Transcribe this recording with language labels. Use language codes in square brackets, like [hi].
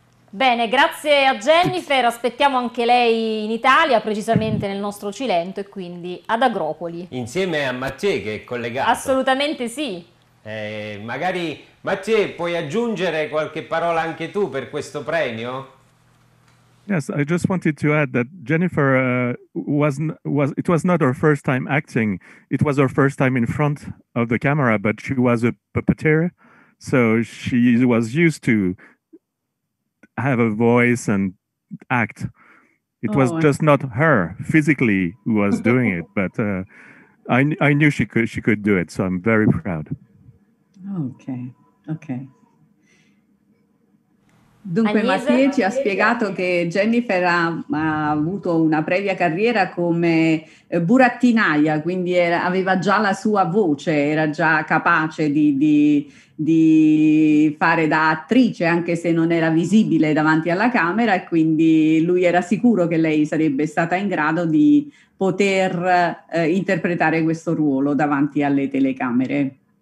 [it] Bene, grazie a Jennifer, aspettiamo anche lei in Italia, precisamente nel nostro Cilento e quindi ad Agropoli. Insieme a Mathieu che è collegato. Assolutamente sì. Magari... Mathieu, puoi aggiungere qualche parola anche tu per questo premio? [en] Yes, I just wanted to add that Jennifer it was not her first time acting. It was her first time in front of the camera, but she was a puppeteer, so she was used to have a voice and act. It was just not her physically who was doing it, but I knew she could do it, so I'm very proud. Ok. [it] Dunque Mathieu ci ha spiegato che Jennifer ha avuto una previa carriera come burattinaia, quindi aveva già la sua voce, era già capace di fare da attrice anche se non era visibile davanti alla camera e quindi lui era sicuro che lei sarebbe stata in grado di poter interpretare questo ruolo davanti alle telecamere.